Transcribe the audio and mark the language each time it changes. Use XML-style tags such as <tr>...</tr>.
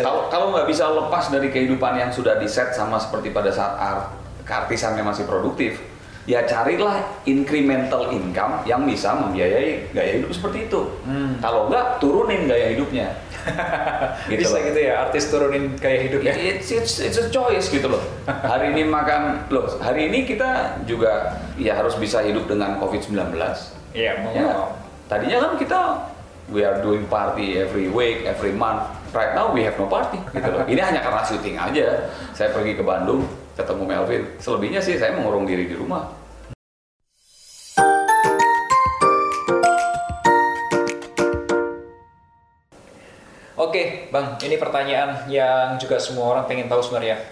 <id>Kalau nggak bisa lepas dari kehidupan yang sudah di-set sama seperti pada saat keartisannya masih produktif, ya carilah</id> <en>incremental income</en> <id>yang bisa membiayai gaya hidup seperti itu. Kalau enggak, turunin gaya hidupnya. Gitu bisa loh. Gitu ya, artis turunin gaya hidupnya.</id> <en>It's a choice</en> <id>gitu loh. Hari ini makan, loh hari ini kita juga ya harus bisa hidup dengan COVID-19.</id> <en>Iya, yeah, yeah.</en> <id>Tadinya kan kita,</id> <en>we are doing party every week, every month. Right now we have no party</en> <id>gitu loh. Ini hanya karena syuting aja, saya pergi ke Bandung. Ketemu Melvin, selebihnya sih saya mengurung diri di rumah. Oke, Bang, ini pertanyaan yang juga semua orang pengen tahu sebenarnya.</id>